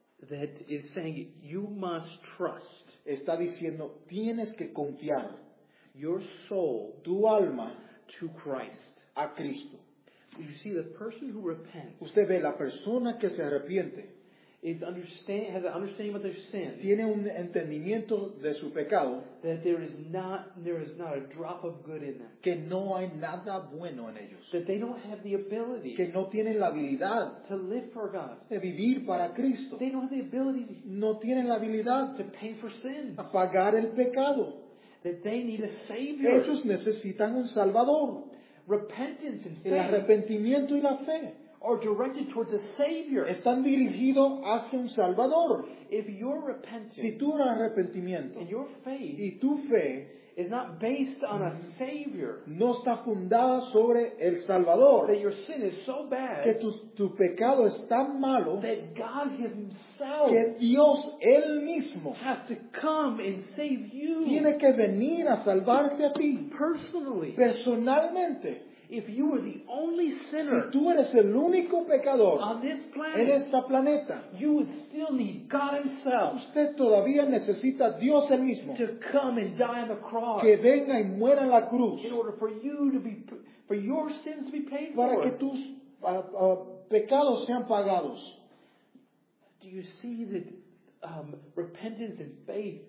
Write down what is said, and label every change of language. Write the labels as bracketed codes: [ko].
[en] That is saying you must trust. [es] Está diciendo tienes que confiar. [en] Your soul. [es] Tu alma. [en] To Christ. [es] A Cristo. [en] You see, the person who repents, [es] usted ve la persona que se arrepiente, [en] has an understanding of their sin. [es] Tiene un entendimiento de su pecado. [en] That there is not a drop of good in them. [es] Que no hay nada bueno en ellos. [en] That they don't have the ability. [es] Que no tienen la habilidad. [en] To live for God. [es] De vivir para Cristo. [en] They don't have the ability. [es] No tienen la habilidad. [en] To pay for sin. [es] A pagar el pecado. [en] That they need a savior. [es] Ellos necesitan un salvador. [en] Repentance and faith. [es] El arrepentimiento y la fe. [en] Are directed towards a savior. [es] Están dirigidos hacia un salvador. [en] If your repentance, [es] si tu arrepentimiento, [en] and your faith, [es] y tu fe, [en] is not based on a savior, [es] no está fundada sobre el salvador. [en] That your sin is so bad, [es] que tu pecado es tan malo, [en] that God himself, [es] que Dios él mismo, [en] has to come and save you, [es] tiene que venir a salvarte a ti, [en] personally, [es] personalmente. [en] If you are the only sinner, [es] si tú eres el único pecador [en] on this planet, [es] en esta planeta, [en] you would still need God himself, [es] usted todavía necesita Dios el mismo, [en] to come and die on the cross, [es] que venga y muera en la cruz, [en] in order for you to be, for your sins to be paid [es] para [en] for, [es] que tus pecados sean pagados. [en] Do you see that repentance and faith,